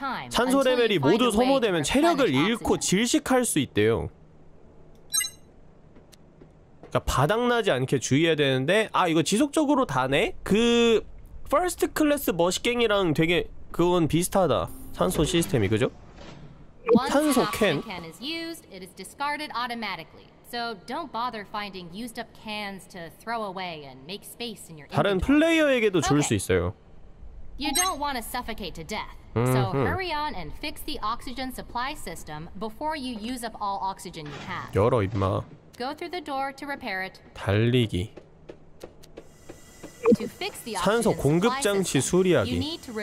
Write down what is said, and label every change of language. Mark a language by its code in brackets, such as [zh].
[ko] 산소 레벨이 모두 소모되면 체력을 잃고 질식할 수 있대요. 그러니까 바닥나지 않게 주의해야 되는데, 아, 이거 지속적으로 다네? 그... 퍼스트 클래스 머시갱이랑 되게 그건 비슷하다. 산소 시스템이 그죠? 산소 캔. [en] Used, it is discarded automatically. So don't bother finding used up cans to throw away and make space in your inventory. [ko] 다른 플레이어에게도 줄 수 있어요. [en] You don't want to suffocate to death. So hurry on and fix the oxygen supply system before you use up all oxygen you have. [ko] 열어 임마. [en] Go through the door to repair it. [ko] 달리기. 산소 공급 장치 수리하기.